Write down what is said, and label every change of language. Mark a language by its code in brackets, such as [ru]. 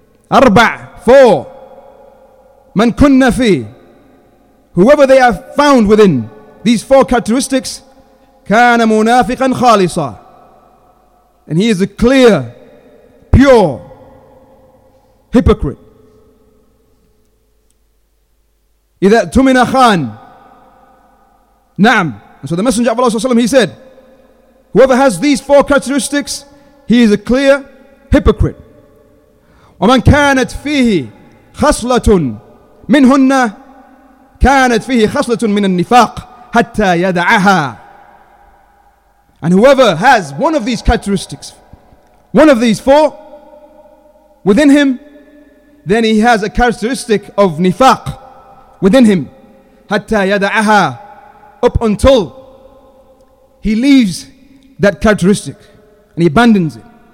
[en] أربع, four, [ar] من كنا فيه, [en] whoever they are found within these four characteristics, [ar] كان منافقا خالصا, [en] and he is a clear, pure hypocrite. [ar] إذا تمنى خان, نعم. [en] And so the Messenger of Allah ﷺ, he said, whoever has these four characteristics, he is a clear hypocrite. [ar] ومن كانت فيه خصلة منهن كانت فيه خصلة من النفاق حتى يدعها. [en] And whoever has one of these characteristics, one of these four within him, then he has a characteristic of nifaq within him, [ar] حتى يدعها, [en] up until he leaves that characteristic and he abandons it.